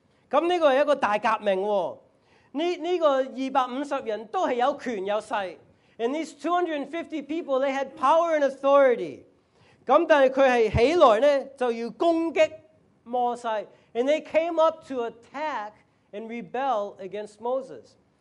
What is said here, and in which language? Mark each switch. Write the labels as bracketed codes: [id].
[zh] 這是一個大革命。這250人都是有權有勢。 [en] And these 250 people, they had power and authority. [zh] 但是他起來就要攻擊摩西。 [en] And they came up to attack and rebel against Moses.